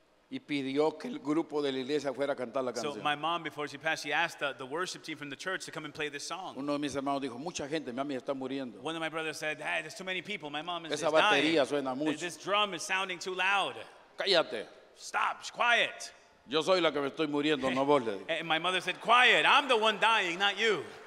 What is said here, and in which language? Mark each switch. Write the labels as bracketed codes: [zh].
[es] Y pidió que el grupo de la iglesia fuera a cantar la canción. [en] So my mom, before she passed, she asked the worship team from the church to come and play this song. [es] Uno de mis hermanos dijo, mucha gente, mi mami está muriendo. [en] One of my brothers said, hey, there's too many people, my mom is dying. [es] Esa batería suena mucho. [en] This drum is sounding too loud. [es] Cállate. [en] Stop, quiet. [es] Yo soy la que me estoy muriendo, no vos, le dije. [en] And my mother said, quiet, I'm the one dying, not you.